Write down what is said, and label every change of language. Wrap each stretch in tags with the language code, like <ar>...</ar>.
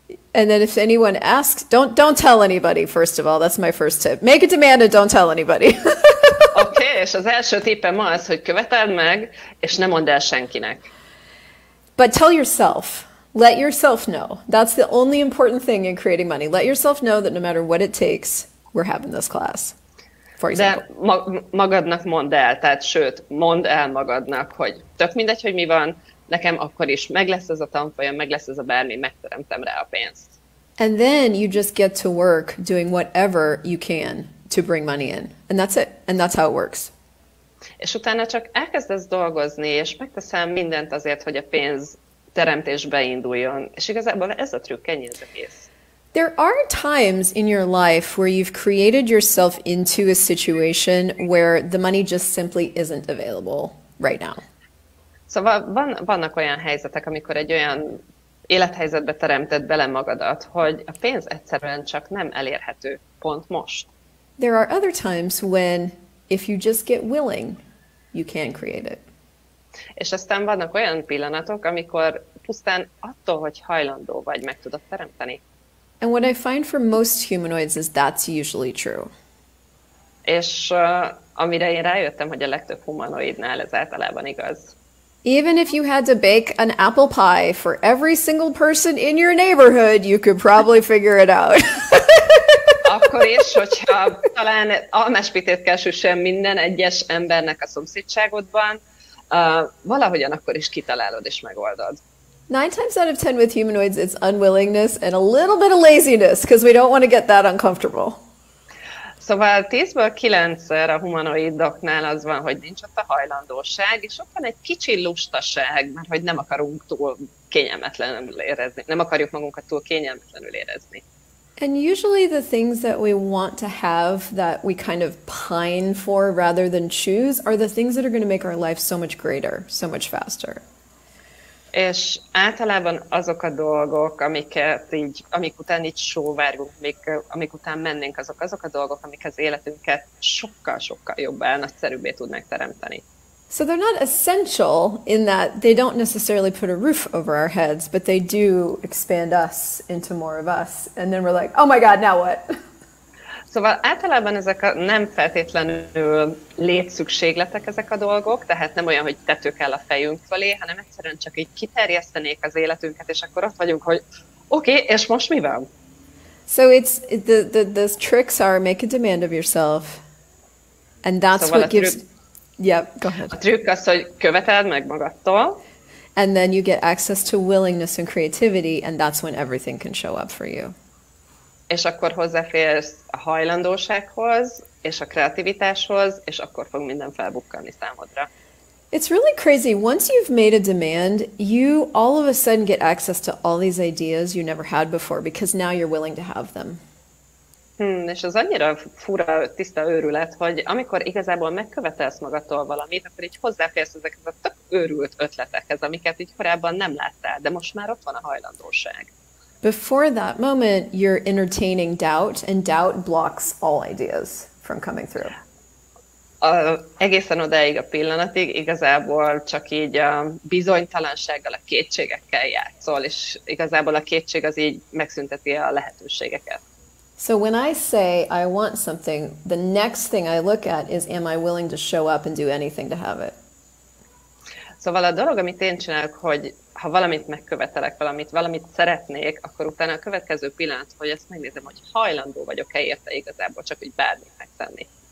<en>And then if anyone asks, don't tell anybody, first of all. That's my first tip. Make a demand and don't tell anybody.</en> <hu>Okay, és az első tippem az, hogy követeld meg, és ne mondd el senkinek.</hu> <en>But tell yourself. Let yourself know. That's the only important thing in creating money. Let yourself know that no matter what it takes, we're having this class. For example.</en> <hu>De magadnak mondd el, tehát sőt, mondd el magadnak, hogy tök mindegy, hogy mi van, nekem akkor is meg lesz ez a tanfolyam, meg lesz ez a bármi, megteremtem rá a pénzt.</hu> <en>And then you just get to work doing whatever you can to bring money in. And that's it. And that's how it works.</en> <hu>És utána csak elkezdesz dolgozni, és megteszem mindent azért, hogy a pénz teremtésbe induljon. És igazából ez a trükk, ennyi az egész.</hu> <en>There are times in your life where you've created yourself into a situation where the money just simply isn't available right now.</en> <hu>Szóval vannak olyan helyzetek, amikor egy olyan élethelyzetbe teremted bele magadat, hogy a pénz egyszerűen csak nem elérhető pont most.</hu> <en>There are other times when if you just get willing, you can create it.</en> <hu>És aztán vannak olyan pillanatok, amikor pusztán attól, hogy hajlandó vagy, meg tudod teremteni.</hu> <en>And what I find for most humanoids is that's usually true.</en> <hu>És amire én rájöttem, hogy a legtöbb humanoidnál ez általában igaz.</hu> <en>Even if you had to bake an apple pie for every single person in your neighborhood, you could probably figure it out.</en> <hu>Akkor is, hogyha talán almáspitét kell süssen minden egyes embernek a szomszédságodban, valahogyan akkor is kitalálod és megoldod.</hu> <en>9 times out of 10 with humanoids, it's unwillingness and a little bit of laziness, because we don't want to get that uncomfortable.</en> <hu>Szóval 10-ből 9-szer a humanoidoknál az van, hogy nincs ott a hajlandóság, és ott van egy kicsi lustaság, mert hogy nem akarunk túl kényelmetlenül érezni, nem akarjuk magunkat túl kényelmetlenül érezni.</hu> <en>And usually the things that we want to have that we kind of pine for rather than choose are the things that are going to make our life so much greater, so much faster.</en> <hu>És általában azok a dolgok, amiket így, amik után így sóvárgunk, amik után mennénk, azok a dolgok, amik az életünket sokkal-sokkal jobbá, nagyszerűbbé tudnak teremteni.</hu> <en>So they're not essential in that they don't necessarily put a roof over our heads, but they do expand us into more of us. And then we're like, oh my God, now what?</en> <hu>Szóval általában ezek a nem feltétlenül létszükségletek ezek a dolgok, tehát nem olyan, hogy tetők el a fejünk fölé, hanem egyszerűen csak így kiterjesztenék az életünket, és akkor ott vagyunk, hogy oké, és most mi van?</hu> <en>So it's the tricks are make a demand of yourself, and that's</en> <hu>szóval</hu> <en>what gives... Yep, go ahead.</en> <hu>A trükk az, hogy követeld meg magadtól.</hu> <en>And then you get access to willingness and creativity, and that's when everything can show up for you.</en> <hu>És akkor hozzáférsz a hajlandósághoz, és a kreativitáshoz, és akkor fog minden felbukkanni számodra.</hu> <en>It's really crazy. Once you've made a demand, you all of a sudden get access to all these ideas you never had before, because now you're willing to have them.</en> <hu>És az annyira fura, tiszta őrület, hogy amikor igazából megkövetelsz magadtól valamit, akkor így hozzáférsz ezekhez a tök őrült ötletekhez, amiket így korábban nem láttál, de most már ott van a hajlandóság.</hu> <en>Before that moment, you're entertaining doubt, and doubt blocks all ideas from coming through.</en> <hu>Egészen odáig a pillanatig igazából csak így a bizonytalansággal, a kétségekkel játszol, és igazából a kétség az így megszünteti a lehetőségeket.</hu> <en>So when I say I want something, the next thing I look at is, am I willing to show up and do anything to have it?</en> <hu>Szóval a dolog, amit én csinálok, hogy ha valamit megkövetelek, valamit szeretnék, akkor utána a következő pillanat, hogy ezt megnézem, hogy hajlandó vagyok-e érte igazából, csak úgy bármit megtenni.</hu>